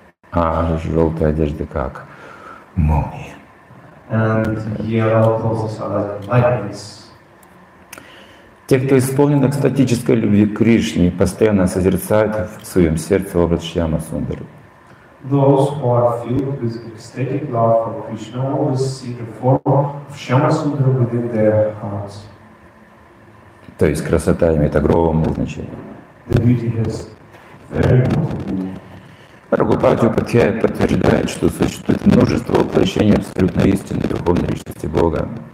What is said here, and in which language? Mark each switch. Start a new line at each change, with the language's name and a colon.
Russian: А желтая одежда как молния.
English: And yellow clothes are like lightnings.
Russian: Те, кто исполнен экстатической любви к Кришне, постоянно созерцают в своем сердце образ Шьяма Сундара.
English: Those who are filled with ecstatic love for Krishna always see the form of Shyama Sundara within their hearts.
Russian: То есть красота имеет огромное значение.
English: The beauty has very important meaning.
Russian: Прабхупада Упадхьяя подтверждает, что существует множество воплощений абсолютной истины Верховной Личности Бога.